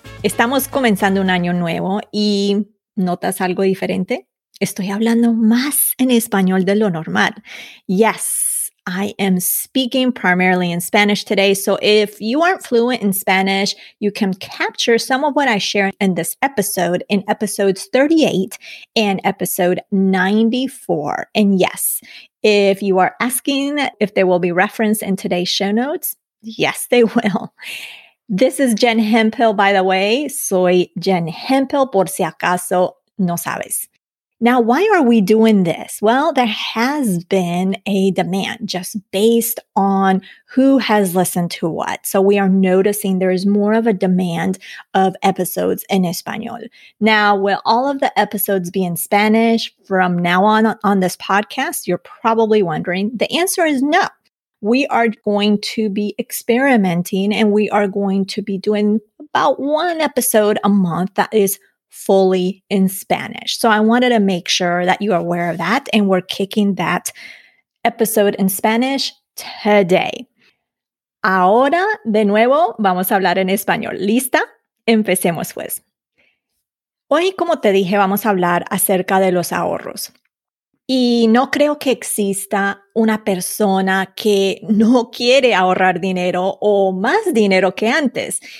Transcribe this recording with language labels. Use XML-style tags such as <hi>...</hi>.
<es>Estamos comenzando un año nuevo y ¿notas algo diferente? Estoy hablando más en español de lo normal.</es> <en>Yes, I am speaking primarily in Spanish today. So if you aren't fluent in Spanish, you can capture some of what I share in this episode in episodes 38 and episode 94. And yes, if you are asking if there will be reference in today's show notes, yes, they will. This is Jen Hemphill, by the way.</en> <es>Soy Jen Hemphill, por si acaso no sabes.</es> <en>Now, why are we doing this? Well, there has been a demand just based on who has listened to what. So we are noticing there is more of a demand of episodes in Espanol. Now, will all of the episodes be in Spanish from now on this podcast? You're probably wondering. The answer is no. We are going to be experimenting and we are going to be doing about one episode a month that is fully in Spanish. So I wanted to make sure that you are aware of that, and we're kicking that episode in Spanish today.</en> <es>Ahora, de nuevo, vamos a hablar en español. ¿Lista? Empecemos pues. Hoy, como te dije, vamos a hablar acerca de los ahorros. Y no creo que exista una persona que no quiere ahorrar dinero o más dinero que antes.</es>